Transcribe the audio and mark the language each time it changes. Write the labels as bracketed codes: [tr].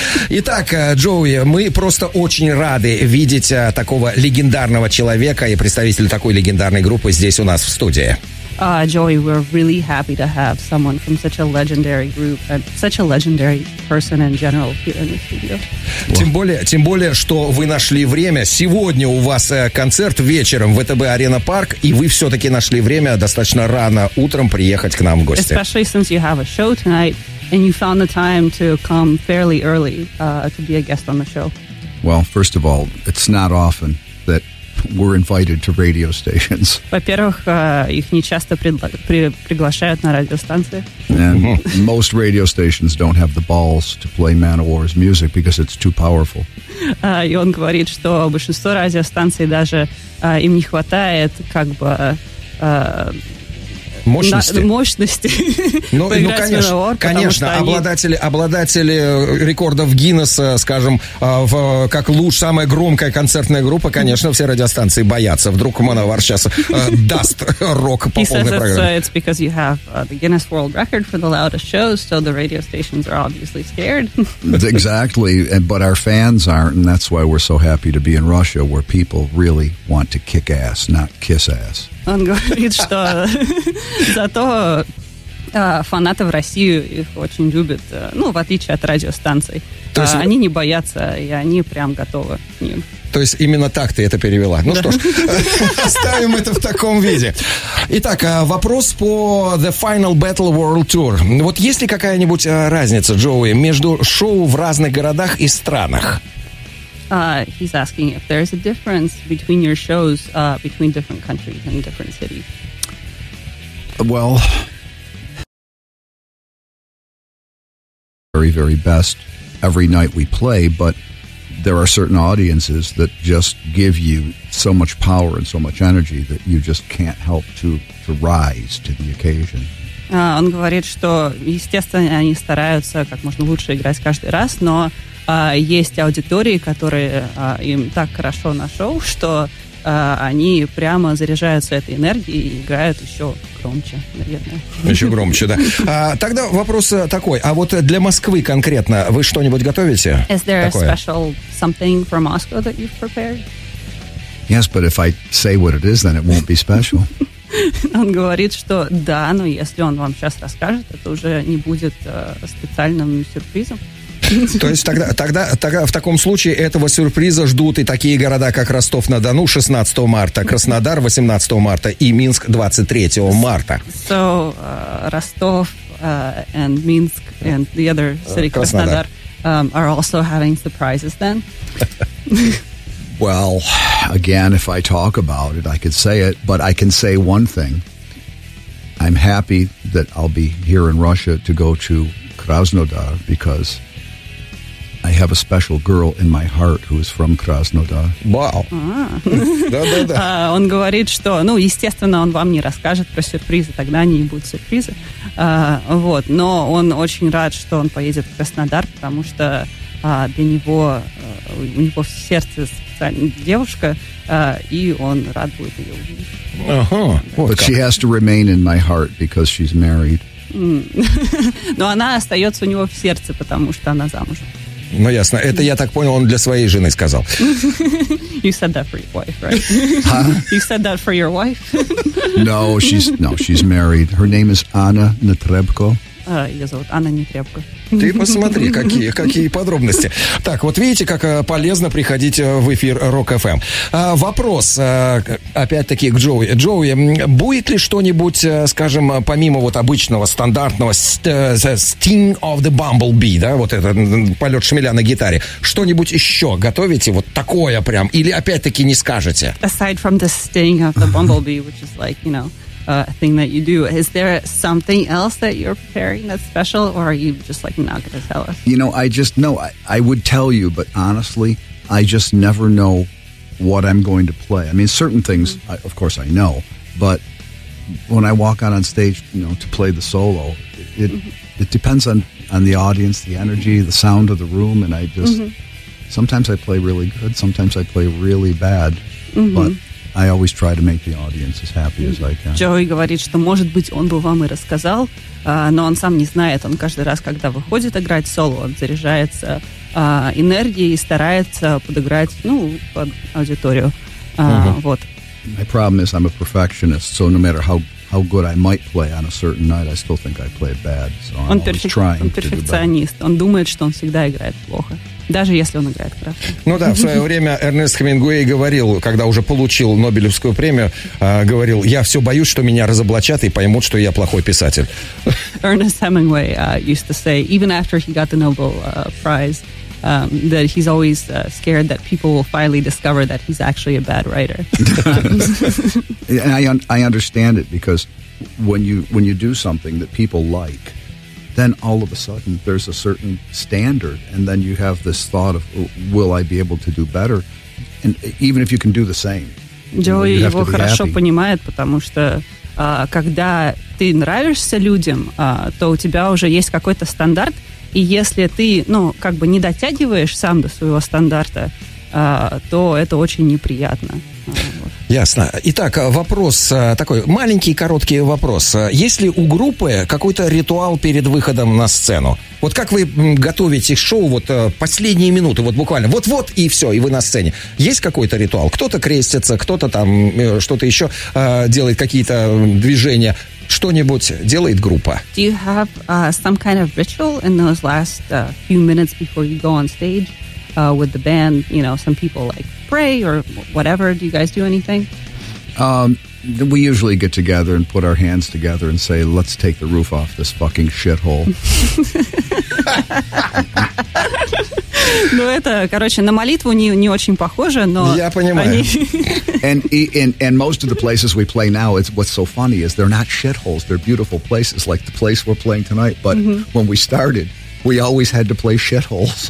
[ru] Итак, Джоуи, мы просто очень рады видеть такого легендарного человека и представителя такой легендарной группы здесь у нас в студии. [en] Джоуи, we're really happy to have someone from such a legendary group and such a legendary person in general here in the studio. [ru] Тем более, что вы нашли время. Сегодня у вас концерт вечером в ВТБ Арена Парк, и вы все-таки нашли время достаточно рано утром приехать к нам в гости. [en] Especially since you have a show tonight and you found the time to come fairly early to be a guest on the show. Well, first of all, it's not often that we're invited to radio stations. [ru] Во-первых, их не часто приглашают на радиостанции. [en] And most radio stations don't have the balls to play Manowar's music because it's too powerful. [ru] И он говорит, что большинство радиостанций даже им не хватает как бы мощности. Ну, конечно, обладатели рекордов Гиннесса, скажем, как лучшая, самая громкая концертная группа, конечно, все радиостанции боятся. Вдруг Manowar сейчас даст рок по полной программе. [en] He says it's because you have the Guinness World Record for the loudest shows, so the radio stations are obviously scared. Exactly, but our fans aren't, and that's why we're so happy to be in Russia, where people really want to kick ass, not kiss ass. [ru] Он говорит, что зато фанаты в России их очень любят, ну, в отличие от радиостанций. То есть они не боятся, и они прям готовы к ним. То есть именно так ты это перевела. Ну что ж, оставим это в таком виде. Итак, вопрос по The Final Battle World Tour. Вот есть ли какая-нибудь разница, Джоуи, между шоу в разных городах и странах? [en] He's asking if there's a difference between your shows between different countries and different cities. Well, very, very best every night we play, but there are certain audiences that just give you so much power and so much energy that you just can't help to rise to the occasion. [ru] Он говорит, что, естественно, они стараются как можно лучше играть каждый раз, но есть аудитории, которые им так хорошо нашел, что они прямо заряжаются этой энергией и играют еще громче, наверное. Еще громче, да. Тогда вопрос такой. А вот для Москвы конкретно вы что-нибудь готовите? [en] Is there a special something for Moscow that you've prepared? Yes, but if I say what it is, then it won't be special. [ru] Он говорит, что да, но если он вам сейчас расскажет, это уже не будет специальным сюрпризом. То есть тогда в таком случае этого сюрприза ждут и такие города, как Ростов-на-Дону 16 марта, Краснодар 18 марта и Минск 23 марта. [en] So, Ростов and Минск and the other city, Краснодар, are also having surprises then? Well, again, if I talk about it, I could say it, but I can say one thing. I'm happy that I'll be here in Russia to go to Krasnodar because I have a special girl in my heart who is from Krasnodar. Wow. [ru] Да-да-да. Он говорит, что, ну, естественно, он вам не расскажет про сюрпризы, тогда они не будут сюрпризы. Вот, но он очень рад, что он поедет в Краснодар, потому что для него, у него в сердце девушка, и он рад будет ее увидеть. Uh-huh. [en] But she has to remain in my heart because she's married. [ru] Но она остается у него в сердце, потому что она замужем. Ну, ясно. Это, я так понял, он для своей жены сказал. [en] You said that for your wife, right? Huh? You said that for your wife? No, she's married. Her name is Anna Netrebko. [ru] Ее зовут Анна Нетребко. Ты посмотри, какие подробности. Так, вот видите, как полезно приходить в эфир Rock FM. Вопрос, опять-таки, к Джоуи. Джоуи, будет ли что-нибудь, скажем, помимо вот обычного, стандартного Sting of the Bumblebee, да, вот этот полет шмеля на гитаре, что-нибудь еще готовите, вот такое прям, или опять-таки не скажете? [en] Aside from the Sting of the Bumblebee, which is like, you know, a thing that you do. Is there something else that you're preparing that's special, or are you just like not going to tell us? You know, I would tell you, but honestly, I just never know what I'm going to play. I mean, certain things, mm-hmm. Of course, I know, but when I walk out on stage, you know, to play the solo, it mm-hmm. it depends on the audience, the energy, the sound of the room, and I just mm-hmm. sometimes I play really good, sometimes I play really bad, mm-hmm. but I always try to make the audience as happy as I can. [ru] Джоуи говорит, что, может быть, он бы вам и рассказал, но он сам не знает. Он каждый раз, когда выходит играть соло, он заряжается энергией и старается подыграть, ну, под аудиторию. Вот. [en] My problem is I'm a perfectionist, so no matter how good I might play on a certain night, I still think I play bad, so I'm always trying to do better. [ru] Он перфекционист. Он думает, что он всегда играет плохо. Даже если он играет хорошо. Ну да, в свое время Эрнест Хемингуэй говорил, когда уже получил Нобелевскую премию, говорил, я все боюсь, что меня разоблачат и поймут, что я плохой писатель. [en] Эрнест Хемингуэй used to say, even after he got the Nobel Prize, that he's always scared that people will finally discover that he's actually a bad writer. And I understand it, because when you do something that people like, then all of a sudden there's a certain standard, and then you have this thought of, will I be able to do better? And even if you can do the same, [ru] Джоуи его хорошо понимает, потому что когда ты нравишься людям, то у тебя уже есть какой-то стандарт, и если ты, ну, как бы не дотягиваешь сам до своего стандарта, то это очень неприятно. Ясно. Итак, вопрос такой, маленький короткий вопрос. Есть ли у группы какой-то ритуал перед выходом на сцену? Вот как вы готовите шоу, вот последние минуты, вот буквально, вот-вот и все, и вы на сцене. Есть какой-то ритуал? Кто-то крестится, кто-то там что-то еще делает, какие-то движения. Что-нибудь делает группа? [en] Do you have some kind of ritual in those last few minutes before you go on stage with the band? You know, some people like pray or whatever. Do you guys do anything? We usually get together and put our hands together and say, let's take the roof off this fucking shithole. [ru] Ну, это, короче, на молитву не очень похоже, но... Я понимаю. Они... [en] And most of the places we play now, it's what's so funny is they're not shitholes. They're beautiful places, like the place we're playing tonight. But mm-hmm. when we started, we always had to play shitholes.